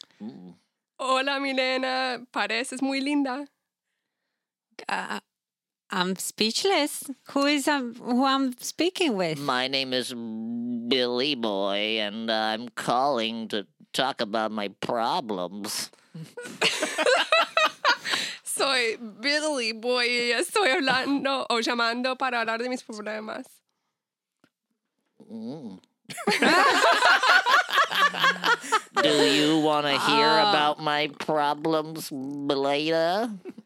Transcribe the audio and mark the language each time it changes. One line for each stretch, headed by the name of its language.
Spanish: Mm. Hola, Milena. Pareces muy linda.
English: I'm speechless. Who is who I'm speaking with? My name is Billy Boy, and I'm calling to talk about my problems.
Spanish: Soy Billy Boy. Estoy hablando o llamando para hablar de mis problemas.
English: Do you want to hear about my problems, Milena?